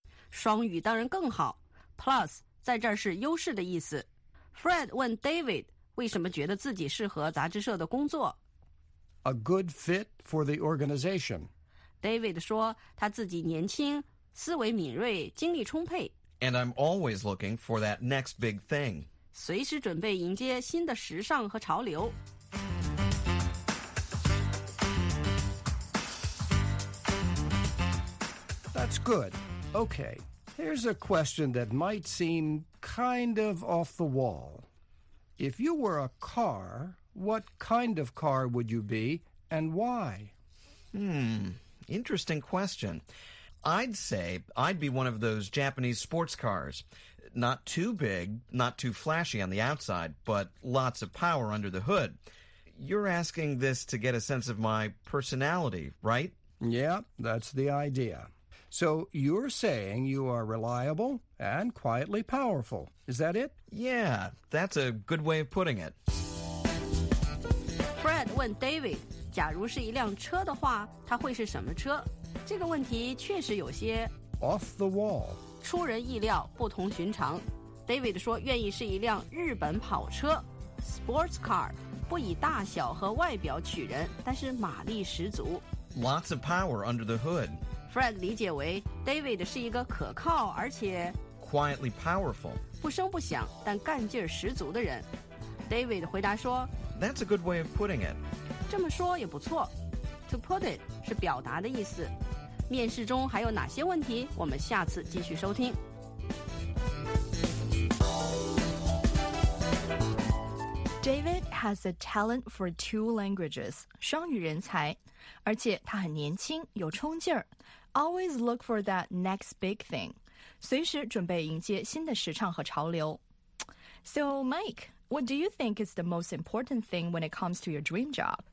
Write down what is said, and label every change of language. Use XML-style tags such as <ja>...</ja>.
<zh>双语当然更好 Plus 在这儿是优势的意思 Fred 问 David 为什么觉得自己适合杂志社的工作</zh> <en>A good fit for the organization.</en> <zh>David 说他自己年轻，思维敏锐，精力充沛。</zh> <en>And I'm always looking for that next big thing.</en> <zh>随时准备迎接新的时尚和潮流。</zh> <en>That's good. Okay, here's a question that might seem kind of off the wall. If you were a car, what kind of car would you be and why? Interesting question. I'd say I'd be one of those Japanese sports cars. Not too big, not too flashy on the outside, but lots of power under the hood. You're asking this to get a sense of my personality, right? Yeah, that's the idea. So you're saying you are reliable and quietly powerful. Is that it? Yeah, that's a good way of putting it.</en> <zh>Fred 问 David. 假如是一辆车的话，它会是什么车？这个问题确实有些</zh> <en>off the wall，</en> <zh>出人意料，不同寻常。David 说愿意是一辆日本跑车 ，sports car， 不以大小和外表取人，但是马力十足。</zh> <en>Lots of power under the hood。</en> <zh>Fred 理解为 David 是一个可靠而且</zh> <en>quietly powerful，</en> <zh>不声不响但干劲儿十足的人。 David 回答说</zh> <en>，That's a good way of putting it。</en> <zh>这么说也不错</zh> <en>To put it</en> <zh>是表达的意思面试中还有哪些问题我们下次继续收听</zh> <en>David has a talent for two languages</en> <zh>双语人才而且他很年轻有冲劲儿</zh> <en>Always look for that next big thing</en> <zh>随时准备迎接新的时尚和潮流</zh> <en>So Mike, what do you think is the most important thing when it comes to your dream job?</en>